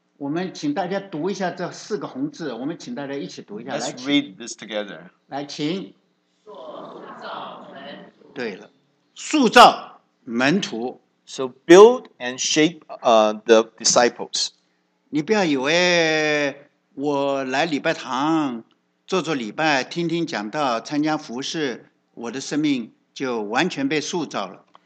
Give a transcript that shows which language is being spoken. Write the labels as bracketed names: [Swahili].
[Chinese] 我们请大家读一下这四个红字，我们请大家一起读一下。 [English] Let's read this together. [Chinese] 来，请。塑造门徒。对了，塑造门徒。 [English] So build and shape the disciples. [Chinese] 你不要以为我来礼拜堂做做礼拜，听听讲道，参加服事，我的生命就完全被塑造了。